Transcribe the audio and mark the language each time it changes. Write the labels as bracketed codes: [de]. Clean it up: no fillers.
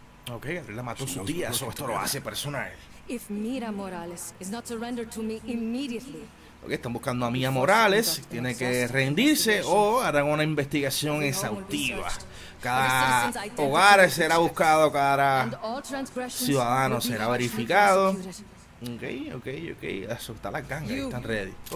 [es] Ok, la mató su tía, eso esto lo hace personal. [en] If Mira Morales is not surrendered to me immediately. [es] Ok, están buscando a Mira Morales, tiene que rendirse o harán una investigación exhaustiva. Cada hogar será buscado, cada ciudadano será verificado. Ok, está la ganga, están ready.